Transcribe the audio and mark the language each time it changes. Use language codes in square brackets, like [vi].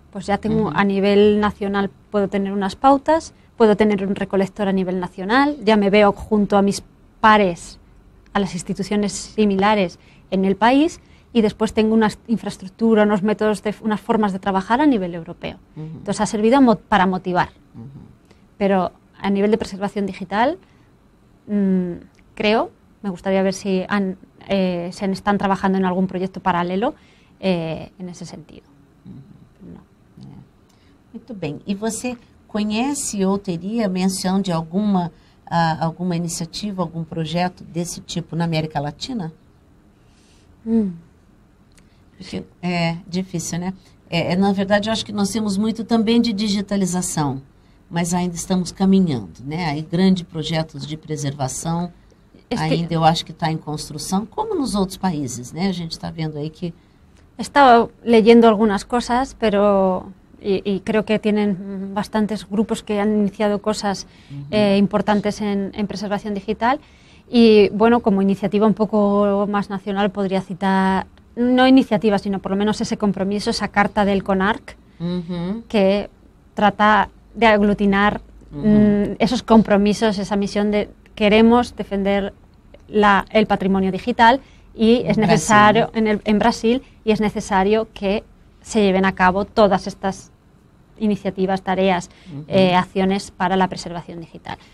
[es] Pues ya tengo a nivel nacional, puedo tener unas pautas, puedo tener un recolector a nivel nacional, ya me veo junto a mis pares, a las instituciones similares en el país, y después tengo una infraestructura, unos métodos, unas formas de trabajar a nivel europeo. Entonces ha servido para motivar. Pero a nivel de preservación digital, creo, me gustaría ver si se están trabajando en algún proyecto paralelo en ese sentido. [pt] Muito bem. E você conhece ou teria menção de alguma alguma iniciativa, algum projeto desse tipo na América Latina? Porque é difícil, né? Na verdade, eu acho que nós temos muito também de digitalização, mas ainda estamos caminhando, né? Aí grandes projetos de preservação, ainda eu acho que está em construção, como nos outros países, né? A gente está vendo aí que... Estava lendo algumas coisas, mas... [es] Y creo que tienen bastantes grupos que han iniciado cosas importantes en preservación digital. Y bueno, como iniciativa un poco más nacional, podría citar, no iniciativa, sino por lo menos ese compromiso, esa carta del CONARC, que trata de aglutinar esos compromisos, esa misión de queremos defender el patrimonio digital y es necesario en Brasil y es necesario que se lleven a cabo todas estas iniciativas, tareas, acciones para la preservación digital.